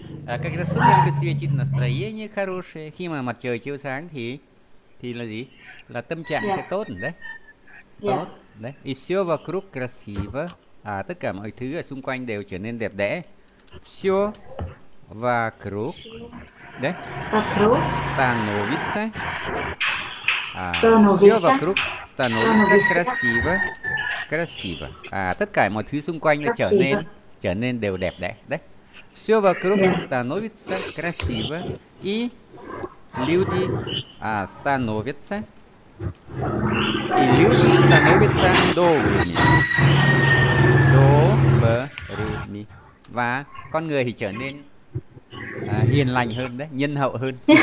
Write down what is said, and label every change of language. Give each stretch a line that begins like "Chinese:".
Russian: Как раз солнышко светит, настроение хорошее.
Vietnamese: Khi mà mặt trời chiếu sáng thì là gì? Là tâm trạng sẽ tốt đấy. Tốt đấy.
Russian: И все вокруг красиво.
Vietnamese: Tất cả mọi thứ ở xung quanh đều trở nên đẹp đẽ.
Russian: Все вокруг, đấy, становится, все вокруг становится красиво, красиво.
Vietnamese: Tất cả mọi thứ xung quanh nó trở nên đều đẹp đẽ, đấy.
Russian: Все вокруг становится красиво и люди становятся и люди становятся добрыми.
Vietnamese: Và con người thì trở nên hiền lành hơn đấy, nhân hậu hơn.